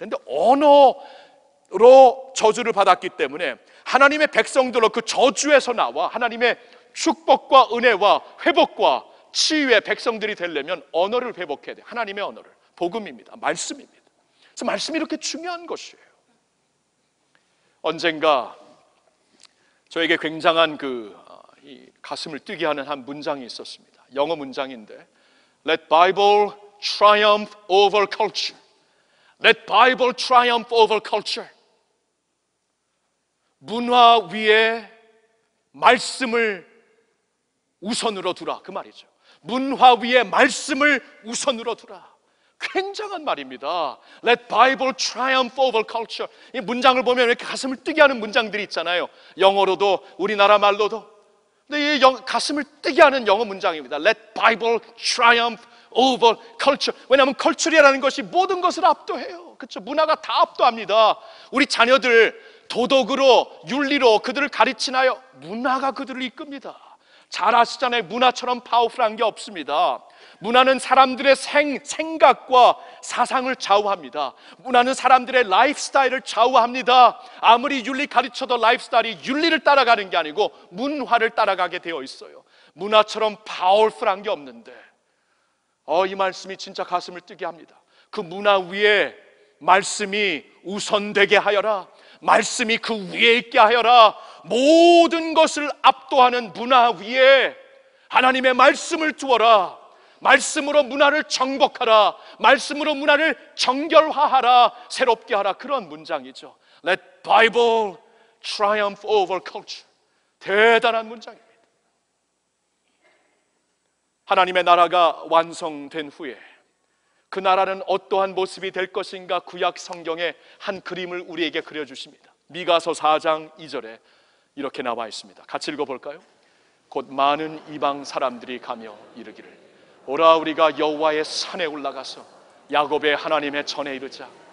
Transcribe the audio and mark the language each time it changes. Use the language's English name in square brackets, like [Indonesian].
[Korean] 근데 언어 로 저주를 받았기 때문에 하나님의 백성들로 그 저주에서 나와 하나님의 축복과 은혜와 회복과 치유의 백성들이 되려면 언어를 회복해야 돼. 하나님의 언어를. 복음입니다. 말씀입니다. 그래서 말씀이 이렇게 중요한 것이에요. 언젠가 저에게 굉장한 그 이 가슴을 뛰게 하는 한 문장이 있었습니다. 영어 문장인데 [English] Let Bible triumph over culture. Let Bible triumph over culture. [Korean] 문화 위에 말씀을 우선으로 두라. 그 말이죠. 문화 위에 말씀을 우선으로 두라. 굉장한 말입니다. [English] Let Bible triumph over culture. [Korean] 이 문장을 보면 이렇게 가슴을 뛰게 하는 문장들이 있잖아요. 영어로도 우리나라 말로도. 근데 이 가슴을 뛰게 하는 영어 문장입니다. [English] Let Bible triumph over culture. [Korean] 왜냐하면 culture이라는 것이 모든 것을 압도해요. 그렇죠? 문화가 다 압도합니다. 우리 자녀들 도덕으로, 윤리로 그들을 가르치나요? 문화가 그들을 이끕니다. 잘 아시잖아요. 문화처럼 파워풀한 게 없습니다. 문화는 사람들의 생각과 사상을 좌우합니다. 문화는 사람들의 라이프스타일을 좌우합니다. 아무리 윤리 가르쳐도 라이프스타일이 윤리를 따라가는 게 아니고 문화를 따라가게 되어 있어요. 문화처럼 파워풀한 게 없는데 이 말씀이 진짜 가슴을 뜨게 합니다. 그 문화 위에 말씀이 우선되게 하여라. 말씀이 그 위에 있게 하여라. 모든 것을 압도하는 문화 위에 하나님의 말씀을 두어라. 말씀으로 문화를 정복하라. 말씀으로 문화를 정결화하라. 새롭게 하라. 그런 문장이죠. [English] Let Bible triumph over culture. [Korean] 대단한 문장입니다. 하나님의 나라가 완성된 후에 그 나라는 어떠한 모습이 될 것인가? 구약 성경의 한 그림을 우리에게 그려주십니다. 미가서 4장 2절에 이렇게 나와 있습니다. 같이 읽어볼까요? 곧 많은 이방 사람들이 가며 이르기를 오라, 우리가 여호와의 산에 올라가서 야곱의 하나님의 전에 이르자.